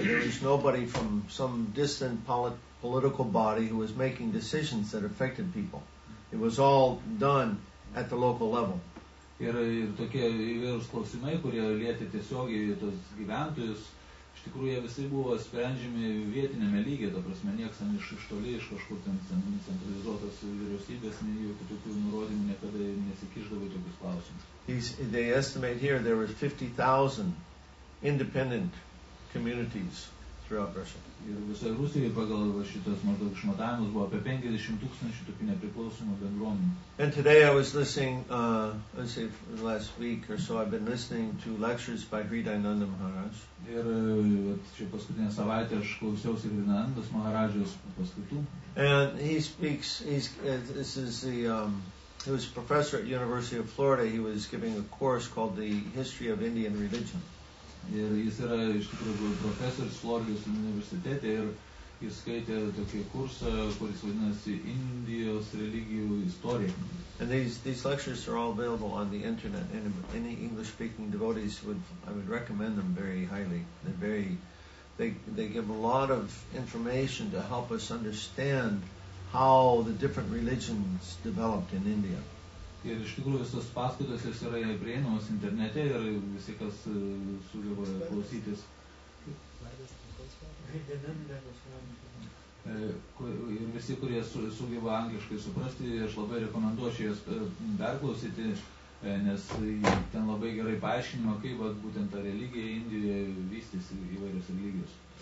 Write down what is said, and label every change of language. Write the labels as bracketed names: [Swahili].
[English] There was nobody from some distant political body who was making decisions that affected people. It was all done at the local level. [Lithuanian] Ir tokie įvairūs klausimai, kurie lietė tiesiogiai tos gyventojus, iš tikrųjų jie visai buvo sprendžiami vietinėme lygiai, ta prasme, nieks ten iš toli, iš kažkur ten centralizuotas vyriausybės, nei jokių tokių nurodymų niekada nesikišdavo į tokius klausimus. [English] They estimate here there were 50,000 independent communities throughout Russia. [Lithuanian] Ir visoje Rusijoje pagal šitas maždaug išmatavimus buvo apie 50,000 tokių nepriklausomų bendruomenių. [English] And today I was listening, let's say last week or so, I've been listening to lectures by Hridayananda Maharaj. [Lithuanian] Ir šią paskutinę savaitę aš klausiausi Hridayanandos Maharajos paskaitų. [English] And he speaks, he was a professor at University of Florida. He was giving a course called The History of Indian Religion. [Lithuanian] Ir jis yra iš tikrųjų profesorius Floridos universitete ir jis skaitė tokį kursą, kuris vadinasi Indijos religijų istorija. [English] And these lectures are all available on the internet, and any English speaking devotees I would recommend them very highly. They give a lot of information to help us understand how the different religions developed in India. [Lithuanian] Ir iš tikrųjų visos paskaitos jis yra prieinamos internete ir visi, kas sugeba klausytis. Ir visi, kurie sugeba angliškai suprasti, aš labai rekomenduočiau jas perklausyti, nes ten labai gerai paaiškinimo, kaip būtent ta religija Indijoje vystys įvairios religijos.